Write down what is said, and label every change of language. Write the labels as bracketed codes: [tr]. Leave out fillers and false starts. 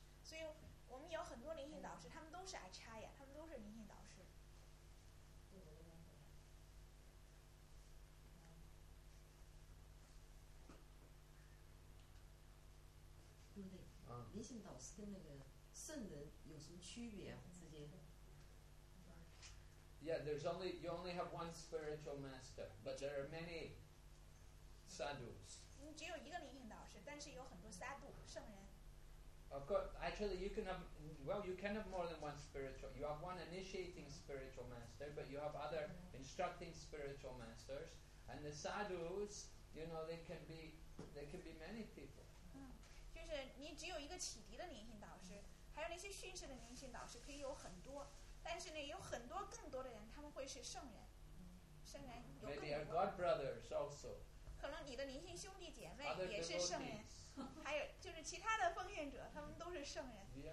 [zh] 所以我们有很多灵性导师，他们都是 acharya， 他们都是灵性导师。灵性导师跟那个圣人有什么区别啊？之间 [en] ？Yeah, there's only you only have one spiritual master, but there are many sadhus. [zh] 你只有一个灵性导师，但是有很多 sadhu 圣人。 [en] Of course, actually, you can have well, you can have more than one spiritual. You have one initiating spiritual master, but you have other instructing spiritual masters, and the sadhus, you know, they can be many people. [zh] 就是你只有一个启迪的灵性导师，还有那些训示的灵性导师可以有很多，但是呢，有很多更多的人，他们会是圣人，圣人有更多。 [en] Maybe are God brothers also. [zh] 可能你的灵性兄弟姐妹也是圣人， [en] <Other devotees. [zh] S 1> 还有就是其他的奉献者，他们都是圣人。